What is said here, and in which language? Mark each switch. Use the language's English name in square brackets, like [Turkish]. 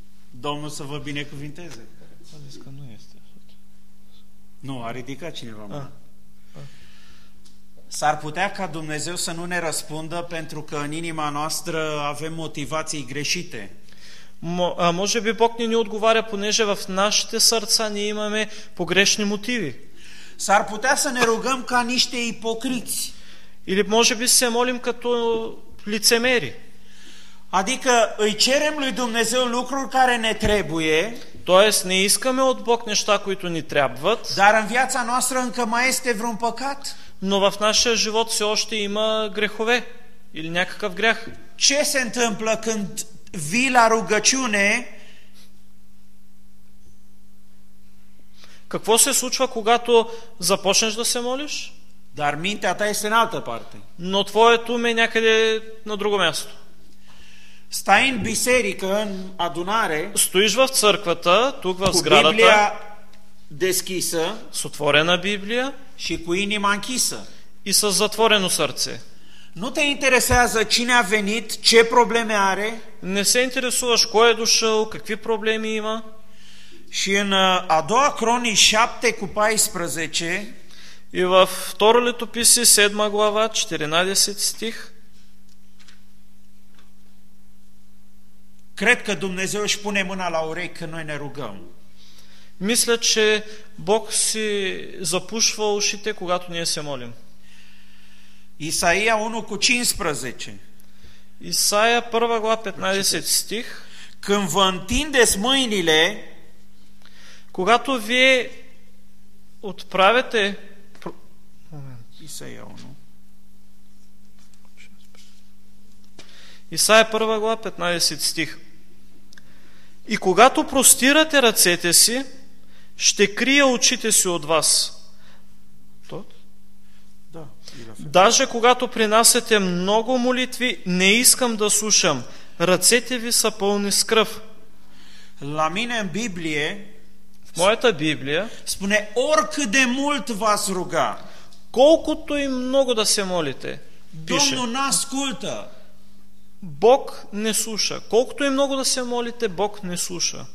[Romanian] Domnul să vă binecuvinteze. A zis că nu este. Nu, a ridicat cineva. S-ar putea ca Dumnezeu să nu ne răspundă pentru că în inima noastră avem motivații greșite. [Bulgarian] Може би Бог не ни отговаря, понеже в нашите сърца ние имаме погрешни мотиви. [Romanian] S-ar putea să ne rugăm ca niște ipocriți. [Bulgarian] Или може би се молим като lițemeri. [Romanian] Adică îi cerem lui Dumnezeu lucruri care ne trebuie. [Bulgarian] Тоест, ne искаме от Бог неща, които ни трябват. [Romanian] Dar în viața noastră încă mai este vreun păcat? [Bulgarian] Но в нашия живот все още има грехове или някакъв грех. [Romanian] Ce se întâmplă când vii la rugăciune? [Bulgarian] Какво се случва когато започнеш да се молиш? [Romanian] Dar mintea ta este în altă parte. [Bulgarian] Но твоето ум е някъде на друго място. [Romanian] Stai în biserică, în adunare. [Bulgarian] Стоиш в църквата, тук в сградата. [Romanian] Cu Biblia deschisă. [Bulgarian] С отворена Библия. [Romanian] Și cu inima închisă. [Bulgarian] И с затворено сърце. [Romanian] Nu te interesează cine a venit, ce probleme are. [Bulgarian] Не се интересуваш кой е дошъл, какви проблеми има. [Romanian] Și în a doua Cronici 7 cu 14. [Bulgarian] И в второ Летописи 7 глава 14 стих. [Romanian] Cred că Dumnezeu își pune mâna la urechi când noi ne rugăm. [Bulgarian] Мисля, че Бог си запушва ушите, когато ние се молим. [Romanian] Исаия 1 cu 15. [Bulgarian] Исаия 1 глава 15 стих. [Romanian] Când vă întindeți mâinile, [Bulgarian] когато вие отправите Исаия 1. Исаия 1 глава 15 стих. И когато простирате ръцете си, ще крия очите си от вас. Тот? Да. Даже когато принасяте много молитви, не искам да слушам. Ръцете ви са пълни с кръв. [Romanian] La mine în Biblie, [Bulgarian] в моята Библия [Romanian] spune, oricât de mult v-aș ruga, [Bulgarian] колкото и много да се молите, пише, [Romanian] Domnul n-ascultă. [Bulgarian] Бог не слуша. Колкото и много да се молите, Бог не слуша.